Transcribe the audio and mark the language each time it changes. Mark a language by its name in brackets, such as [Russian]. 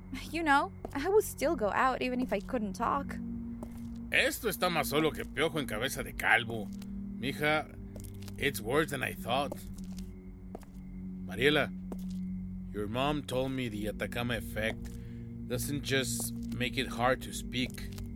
[English] You know, I would still go out even if I couldn't talk. [Spanish] Esto está más solo que piojo en cabeza de calvo. [English] Mija, it's worse than I thought. Mariela, your mom told me the Atacama effect doesn't just make it hard to speak.